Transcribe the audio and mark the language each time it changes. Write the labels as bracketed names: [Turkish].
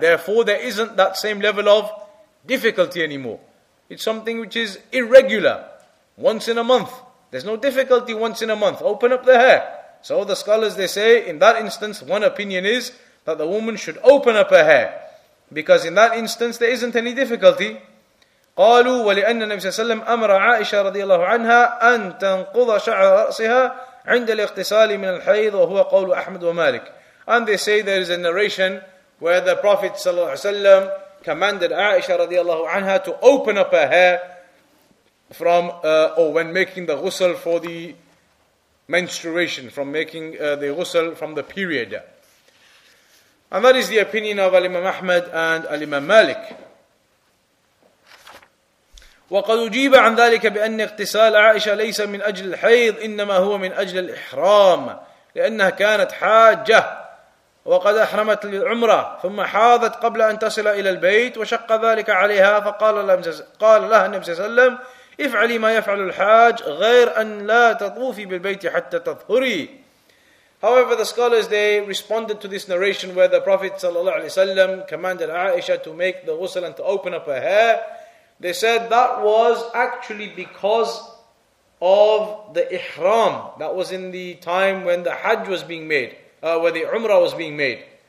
[English] Therefore, there isn't that same level of difficulty anymore. It's something which is irregular, once in a month. There's no difficulty once in a month. Open up the hair. So the scholars, they say, in that instance, one opinion is that the woman should open up her hair, because in that instance, there isn't any difficulty. [Arabic] قالوا ولأن النبي صلى الله عليه وسلم أمر عائشة رضي الله عنها أن تنقض شعر رأسها عند الاغتسال من الحيض وهو قول أحمد ومالك. [English] And they say there is a narration where the Prophet صلى الله عليه وسلم commanded عائشة رضي الله عنها to open up her hair from when making the ghusl for the menstruation, from making the ghusl from the period. And that is the opinion of Al-Imam Ahmad and Al-Imam Malik. [Arabic] وقد أجيب عن ذلك بأن اغتسال عائشة ليس من أجل الحيض إنما هو من أجل الإحرام لأنها كانت حاجة وقد أحرمت للعمرة ثم حاضت قبل أن تصل إلى البيت وشق ذلك عليها فقال لها النبي صلى الله عليه وسلم افعلي ما يفعل الحاج غير أن لا تطوفي بالبيت حتى تطهري. [English] However, the scholars, they responded to this narration where the Prophet صلى الله عليه وسلم commanded Aisha to make the ghusl and to open up her hair. They said that was actually because of the ihram. That was in the time when the hajj was being made, where the umrah was being made.